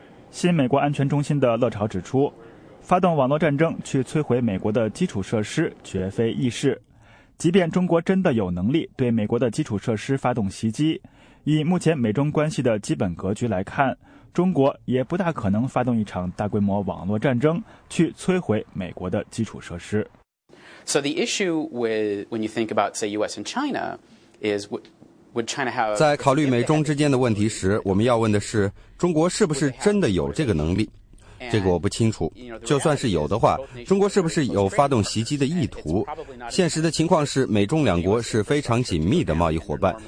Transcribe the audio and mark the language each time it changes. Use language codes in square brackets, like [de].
[zh] 新美国安全中心的乐朝指出，发动网络战争去摧毁美国的基础设施绝非易事，即便中国真的有能力对美国的基础设施发动袭击，以目前美中关系的基本格局来看，中国也不大可能发动一场大规模网络战争去摧毁美国的基础设施。 [en] So the issue with when you think about, say, U.S. and China is would China have? [zh] 在考虑美中之间的问题时，我们要问的是：中国是不是真的有这个能力？这个我不清楚。就算是有的话，中国是不是有发动袭击的意图？现实的情况是，美中两国是非常紧密的贸易伙伴。